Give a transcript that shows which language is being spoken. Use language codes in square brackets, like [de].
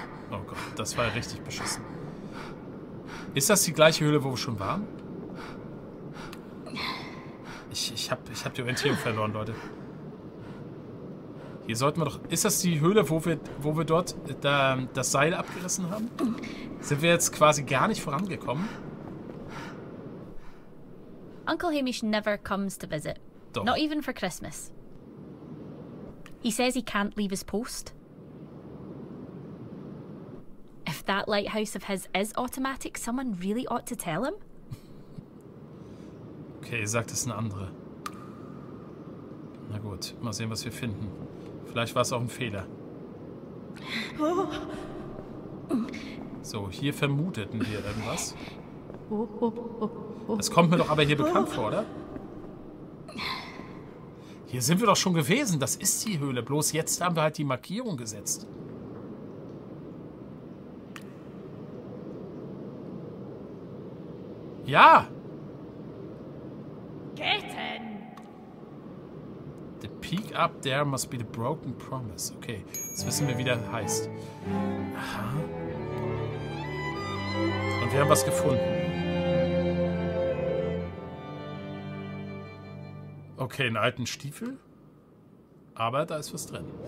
[de] Oh Gott, das war ja richtig beschissen. Ist das die gleiche Höhle, wo wir schon waren? Ich hab die Orientierung verloren, Leute. Hier sollten wir doch... Ist das die Höhle, wo wir dort da das Seil abgerissen haben? Sind wir jetzt quasi gar nicht vorangekommen? [en] Uncle Hamish never comes to visit. [de] Doch. [en] Not even for Christmas. He says he can't leave his post. If that lighthouse of his is automatic, someone really ought to tell him. [de] Okay, ihr sagt, es ist eine andere. Na gut, mal sehen, was wir finden. Vielleicht war es auch ein Fehler. So, hier vermuteten wir irgendwas. Das kommt mir doch aber hier bekannt vor, oder? Hier sind wir doch schon gewesen. Das ist die Höhle. Bloß jetzt haben wir halt die Markierung gesetzt. Ja! Gaten! [en] The peak up there must be the broken promise. [de] Okay, jetzt wissen wir, wie der heißt. Aha. Und wir haben was gefunden. Okay, einen alten Stiefel. Aber da ist was drin.